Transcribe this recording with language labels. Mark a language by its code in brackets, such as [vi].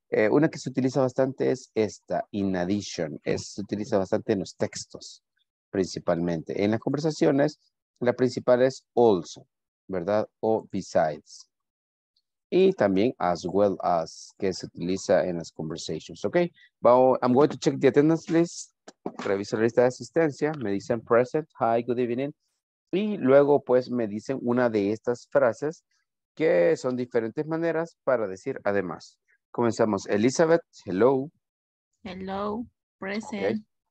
[es] Una que se utiliza bastante es esta, in addition. Se utiliza bastante en los textos, principalmente. En las conversaciones, la principal es also, ¿verdad? O besides. Y también as well as, que se utiliza en las conversations. [en] Ok, I'm going to check the attendance list. [es] Reviso la lista de asistencia, me dicen [en] present, hi, good evening, [es] y luego pues me dicen una de estas frases que son diferentes maneras para decir además. Comenzamos, Elizabeth, hello. [en] Hello, present.